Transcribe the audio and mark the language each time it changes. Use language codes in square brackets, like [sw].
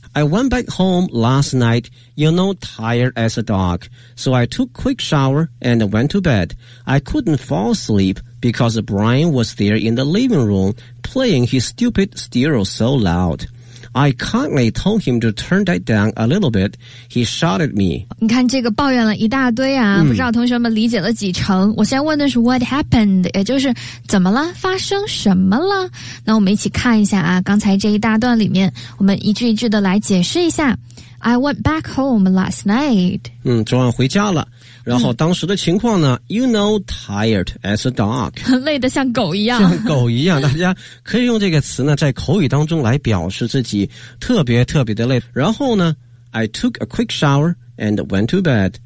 [en] I went back home last night, you know, tired as a dog. So I took a quick shower and went to bed. I couldn't fall asleep because Brian was there in the living room playing his stupid stereo so loud. I kindly told him to turn that down a little bit. He shouted me. [zh] 你看这个抱怨了一大堆啊，不知道同学们理解了几成。我先问的是 [en] what happened, [zh] 也就是怎么了，发生什么了。那我们一起看一下啊，刚才这一大段里面我们一句一句的来解释一下。 [en] I went back home last night. [zh] 昨晚回家了。然后当时的情况呢 [en] you know, tired as a dog. [zh] 累得像狗一样。像狗一样。大家可以用这个词呢在口语当中来表示自己特别特别的累。然后呢 [en] I took a quick shower and went to bed.